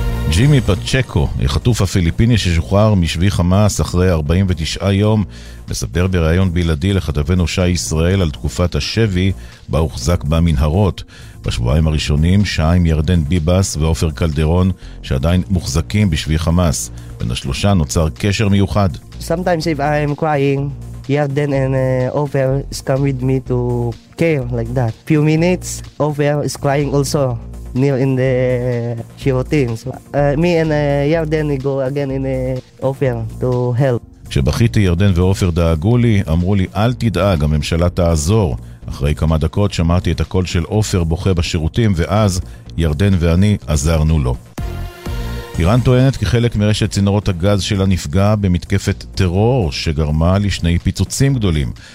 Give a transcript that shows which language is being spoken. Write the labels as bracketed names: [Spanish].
[Hebrew] ג'ימי פצ'קו, החטוף הפיליפיני ששוחרר משבי חמאס אחרי 49 יום, מספר בריאיון בלעדי לכתבנו שי ישראל על תקופת השבי בה הוחזק במנהרות. בשבועיים הראשונים שעה עם ירדן ביבס ואופר קלדרון שעדיין מוחזקים בשבי חמאס. בין השלושה נוצר קשר מיוחד. [English] Sometimes if I'm crying, ירדן and Ofer is come with me to care like that. Few minutes, Ofer is crying also. near in the shivotim. Me and ירדן go again in Ofer to help. [Hebrew] כשבכיתי, ירדן ואופר דאגו לי, אמרו לי, אל תדאג, הממשלה תעזור. אחרי כמה דקות שמעתי את הקול של אופר בוכה בשירותים, ואז ירדן ואני עזרנו לו. איראן טוענת כי חלק מרשת צינורות הגז שלה נפגע במתקפת טרור שגרמה לשני פיצוצים גדולים.